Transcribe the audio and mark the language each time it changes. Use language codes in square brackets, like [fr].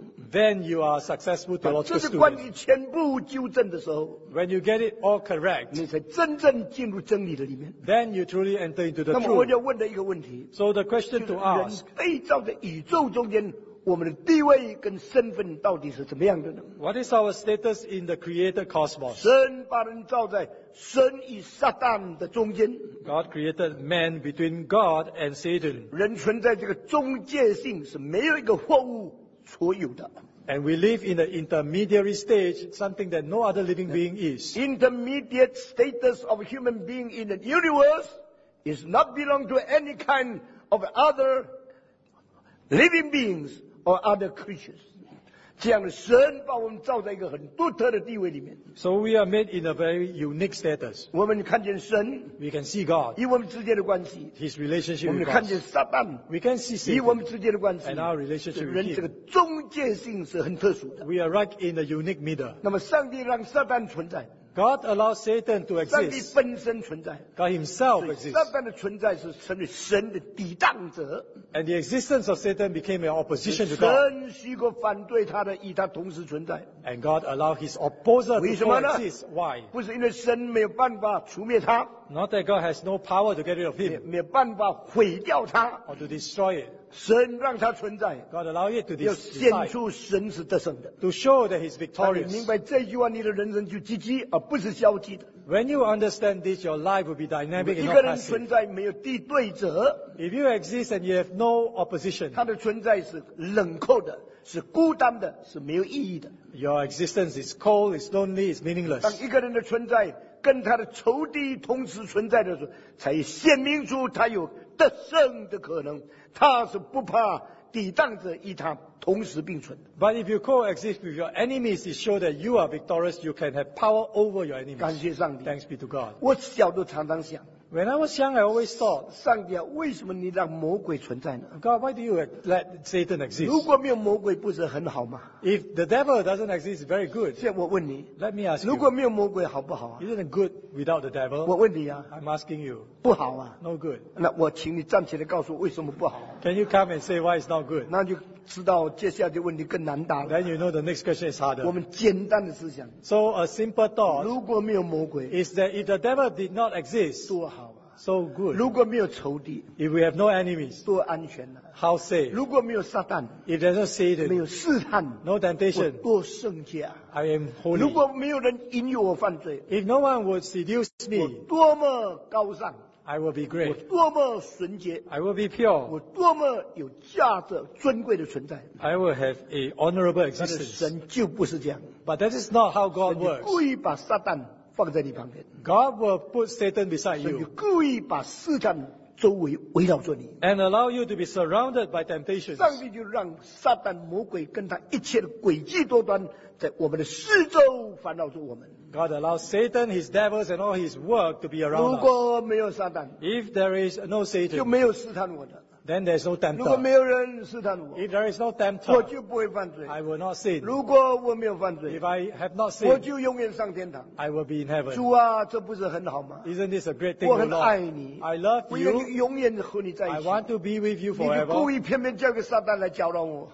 [en] Then you are successful theological student. [zh] 这是关于全部纠正的时候。 [en] When you get it all correct, [zh] 你才真正进入真理的里面。 [en] Then you truly enter into the truth. [zh] 那么我就问了一个问题。 [en] So the question to ask. [zh] 就是人被造的宇宙中间，我们的地位跟身份到底是怎么样的呢？ [en] What is our status in the created cosmos? [zh] 神把人造在神与撒旦的中间。 [en] God created man between God and Satan. [zh] 人存在这个中介性是没有一个货物。 [en] And we live in the intermediary stage, something that no other living being is. Intermediate status of a human being in the universe is not belong to any kind of other living beings or other creatures. [zh] 这样神把我们造在一个很独特的地位里面。 [en] So we are made in a very unique status. [zh] 我们看见神。 [en] We can see God. [zh] 与我们之间的关系。 [en] His relationship with us. [zh] 我们看见撒旦。 [en] We can see Satan. [zh] 与我们之间的关系。 [en] And our relationship with him. [zh] 人这个中介性是很特殊的。 [en] We are right in a unique middle. [zh] 那么上帝让撒旦存在。 [en] God allows Satan to exist. [zh] 上帝本身存在。 [en] God himself exists. [zh] 撒旦的存在是成为神的抵挡者。 [en] And the existence of Satan became an opposition to God. [zh] 神许可反对他的，与他同时存在。 [en] And God allowed his opposer to exist. Why? [zh] 不是因为神没有办法除灭他。 [en] Not that God has no power to get rid of him. [zh] 没有办法毁掉他。 [en] Or to destroy it. [zh] 神让他存在 [en] God allow it to decide, [zh] 要显出神是得胜的 [en] to show that he's victorious. [zh] 你明白这句话你的人生就积极而不是消极的 [en] When you understand this, your life will be dynamic and not passive. [zh] 一个人存在没有敌对者 [en] If you exist and you have no opposition, [zh] 他的存在是冷酷的是孤单的是没有意义的 [en] Your existence is cold, it's lonely, it's meaningless. [zh] 当一个人的存在跟他的仇敌同时存在的时候才显明出他有得胜的可能他是不怕抵挡者与他同时并存的。 [en] But if you coexist with your enemies, it shows that you are victorious. You can have power over your enemies. [zh] 感谢上帝。 [en] Thanks be to God. [zh] 我小时候常常想。 [en] When I was young, I always thought, [zh] 上帝啊，为什么你让魔鬼存在呢 [en] ？God, why do you let Satan exist? [zh] 如果没有魔鬼，不是很好吗 [en] ？If the devil doesn't exist, very good. [zh] 现在我问你 [en] ，Let me ask you. [zh] 如果没有魔鬼，好不好啊 [en] ？Isn't it good without the devil? [zh] 我问你啊 [en] ，I'm asking you. [zh] 不好啊 [en] ，No good. [zh] 那我请你站起来告诉我为什么不好 [en] ？Can you come and say why it's not good? [zh] 那就知道接下来的问题更难答了。 [en] Then you know the next question is harder. [zh] 我们简单的思想。 [en] So a simple thought. [zh] 如果没有魔鬼 [en] ，is that if the devil did not exist, [zh] 多好啊 [en] ！So good. [zh] 如果没有仇敌 [en] ，if we have no enemies, [zh] 多安全啊 [en] ！How safe. [zh] 如果没有撒旦 [en] ，if there's no Satan, [zh] 没有试探 [en] ，no temptation, [zh] 多圣洁啊 [en] ！I am holy. [zh] 如果没有人引诱我犯罪 [en] ，if no one would seduce me, [zh] 我多么高尚。 [en] I will be great. [zh] 我多么纯洁 [en] ！I will be pure. [zh] 我多么有价值、尊贵的存在 [en] ！I will have a honorable existence. [zh] 神就不是这样。 [en] But that is not how God works. [zh] 故意把撒旦放在你旁边。 [en] God will put Satan beside you. [zh] 故意把试探周围围绕着你。 [en] And allow you to be surrounded by temptations. [zh] 上帝就让撒旦、魔鬼跟他一切的诡计多端，在我们的四周烦扰着我们。 [en] God allows Satan, his devils, and all his work to be around us. [zh] 如果没有撒旦, [en] if there is no Satan, [zh] 就没有试探我的, [en] then there's no tempter. [zh] 如果没有人试探我， [en] if there is no tempter, [zh] 我就不会犯罪。 [en] I will not sin. [zh] 如果我没有犯罪， [en] if I have not sin, [zh] 我就永远上天堂。 [en] I will be in heaven. [zh] 主啊，这不是很好吗？ [en] Isn't this a great thing, [zh] 我很爱你， [en] I love you. [zh] 我永远和你在一起。 [en] I want to be with you forever. [zh] 你故意偏偏交给撒旦来搅扰我。